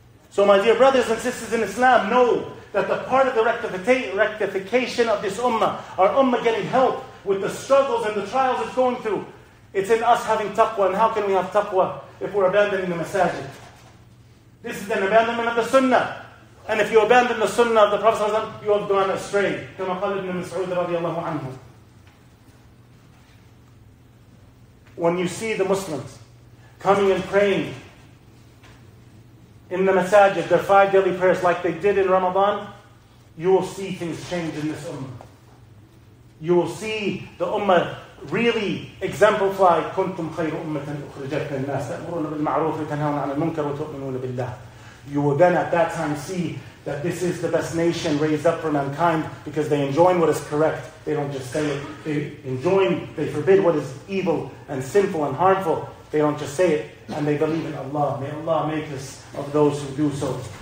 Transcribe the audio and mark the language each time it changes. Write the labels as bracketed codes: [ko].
[en] So my dear brothers and sisters in Islam, know that the part of the rectification of this ummah, our ummah getting help with the struggles and the trials it's going through, it's in us having taqwa. And how can we have taqwa if we're abandoning the masajid? This is an abandonment of the sunnah. And if you abandon the sunnah of the Prophet ﷺ, you have gone astray. [ar] كما قال ابن مسعود رضي الله عنه. [en] When you see the Muslims coming and praying in the masajid, their five daily prayers, like they did in Ramadan, you will see things change in this ummah. You will see the ummah really exemplify [ar] كنتم خير أمّةً أخرجت للناس تأمرون بالمعروف وتنهون عن المنكر وتؤمنون بالله. [en] You will then at that time see that this is the best nation raised up for mankind because they enjoin what is correct. They don't just say it. They enjoin, they forbid what is evil and sinful and harmful. They don't just say it. And they believe in Allah. May Allah make us of those who do so.